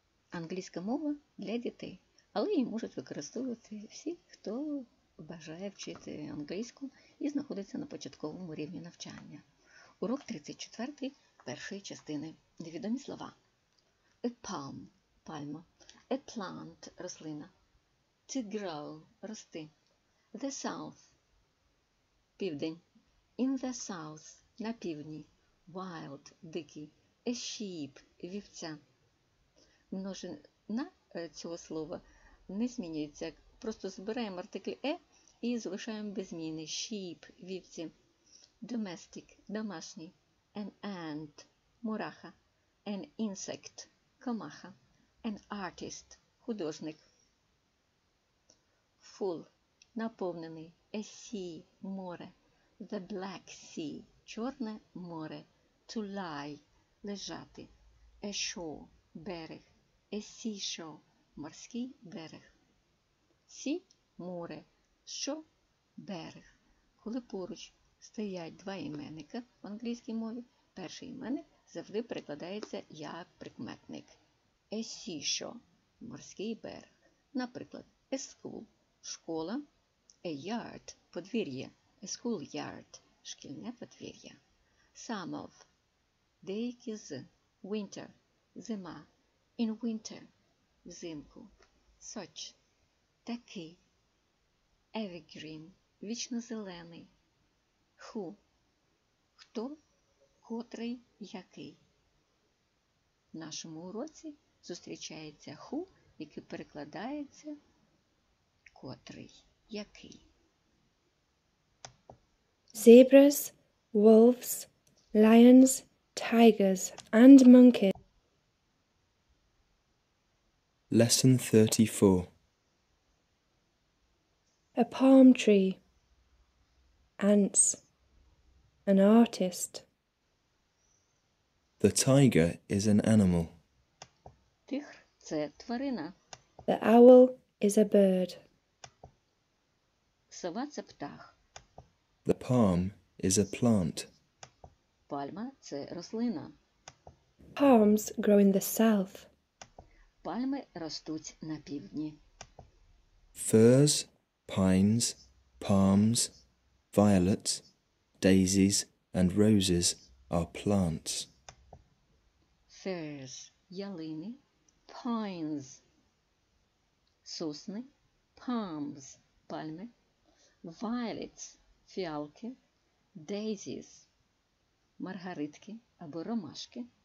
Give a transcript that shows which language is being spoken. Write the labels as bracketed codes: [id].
[uk] Англійська мова для дітей. Але її можуть використовувати всі, хто бажає вчити англійську і знаходиться на початковому рівні навчання. Урок 34 першої частини. Невідомі слова. [en] A palm – [uk] пальма. [en] A plant – [uk] рослина. [en] To grow – [uk] рости. [en] The south – [uk] південь. [en] In the south – [uk] на півдні. [en] Wild – дикий. A sheep – вівця. [uk] Множина цього слова не змінюється. Просто збираємо артикль «е» і залишаємо без зміни. [en] Sheep – вівці. Domestic – домашній. An ant – мураха. An insect – комаха. An artist – художник. Full – наповнений. A sea – море. The black sea – [uk] чорне море. [en] To lie – лежати. A shore – берег. A seashore – [uk] морський берег. [en] Sea – море. Shore [uk] – берег. Коли поруч стоять два іменника в англійській мові, перший іменник завжди перекладається як прикметник. [en] A seashore [uk] – морський берег. Наприклад, [en] a school [uk] – школа. [en] A yard – подвір'я. A school yard – [uk] шкільне подвір'я. [en] Some of – [uk] деякі з. [en] Winter – зима. In winter – взимку. Such – такий. Evergreen – вічнозелений. Who – [uk] хто, котрий, який. В нашому уроці зустрічається who, який перекладається котрий, який. [en] Zebras, wolves, lions – tigers and monkeys. Lesson 34. A palm tree. Ants. An artist. The tiger is an animal. [uk] Тигр – це тварина. [en] The owl is a bird. [uk] Сова – це птах. [en] The palm is a plant. [uk] Пальма – це рослина. [en] Palms grow in the south. [uk] Пальми ростуть на півдні. [en] Firs, pines, palms, violets, daisies and roses are plants. Firs [uk] – ялини, [en] pines [uk] – сосни, [en] palms [uk] – пальми, [en] violets [uk] – фіалки, [en] daisies [uk] – маргаритки або ромашки.